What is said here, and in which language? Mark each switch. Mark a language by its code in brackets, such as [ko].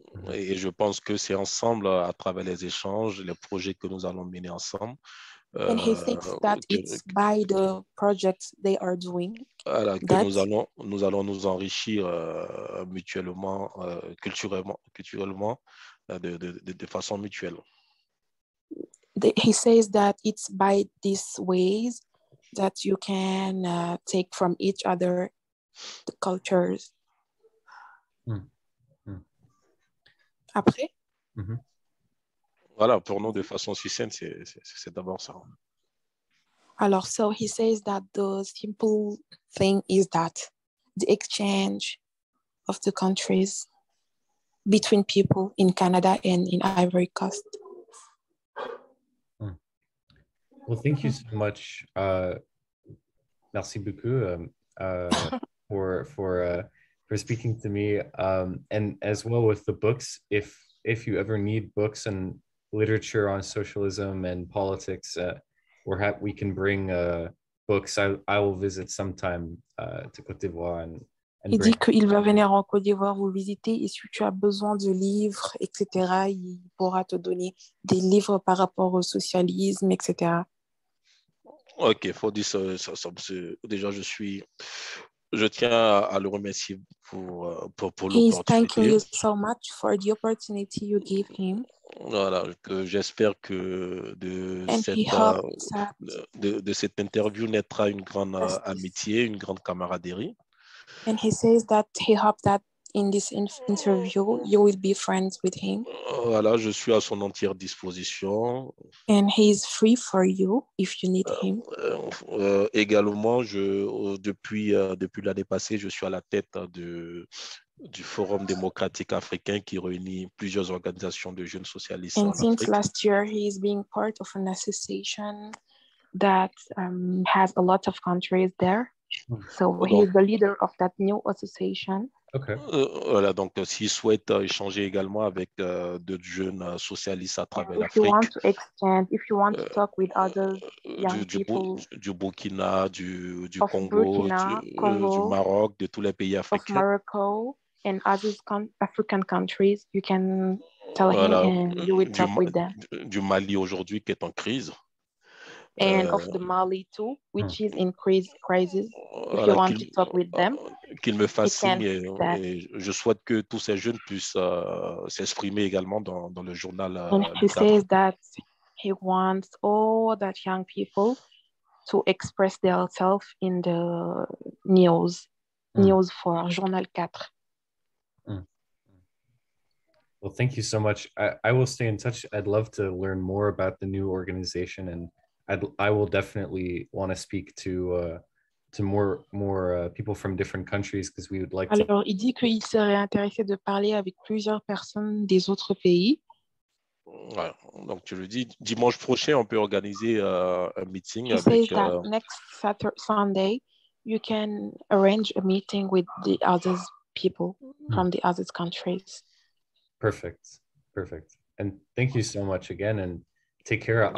[fr] Et je pense que c'est ensemble, à travers les échanges, les projets que nous allons mener ensemble. [en] And he thinks that it's by the projects they are doing. [fr] Voilà, que nous allons nous enrichir mutuellement, culturellement, de façon mutuelle. [en] He says that it's by these ways that you can take from each other the cultures. [fr] Après. Voilà, pour nous, de façon succincte, c'est d'abord ça. [en] Alors, so he says that the simple thing is that the exchange of the countries between people in Canada and in Ivory Coast. Well, thank you so much. [fr] Merci beaucoup [en] for speaking to me. And as well with the books, if you ever need books and literature on socialism and politics, we can bring books. I will visit sometime to Côte d'Ivoire. [fr] Il dit qu'il va venir en Côte d'Ivoire vous visiter, et si tu as besoin de livres, etc., il pourra te donner des livres par rapport au socialisme, etc. Ok, faut dire ça. Déjà, je tiens à le remercier pour l'opportunité. [en] He's thanking you so much for the opportunity you gave him. [fr] Voilà, que j'espère que de cette interview naîtra une grande amitié, une grande camaraderie. [en] And he says that he hopes that in this interview you will be friends with him. [fr] Voilà, je suis à son entière disposition. [en] And he is free for you if you need him. [fr] Également, depuis l'année passée, je suis à la tête du Forum démocratique africain qui réunit plusieurs organisations de jeunes socialistes en Afrique. [en] And since last year, he is being part of an association that has a lot of countries there. So he is the leader of that new association. Okay. [fr] Voilà, donc s'il souhaite échanger également avec d'autres jeunes socialistes à travers l'Afrique. [en] If you want to exchange, if you want to talk with other young people. [fr] Du Burkina, du Congo, du Maroc, de tous les pays africains. [en] Of Morocco and other African countries, you can tell him and you will talk with them. [fr] Du Mali aujourd'hui qui est en crise. [en] And of the Mali too, which is in crisis. If you want to talk with them, [fr] qu'il me fascine. Et je souhaite que tous ces jeunes puissent s'exprimer également dans le journal. [en] And he says that he wants all that young people to express themselves in the news, news for Journal 4. Well, thank you so much. I will stay in touch. I'd love to learn more about the new organization, and I will definitely want to speak to more people from different countries, because we would like. [fr] Alors, il dit qu'il serait intéressé de parler avec plusieurs personnes des autres pays. Ouais, donc tu le dis. Dimanche prochain, on peut organiser un meeting. [en] He says that next Sunday, you can arrange a meeting with the other people from the other countries. Perfect, perfect. And thank you so much again. And take care.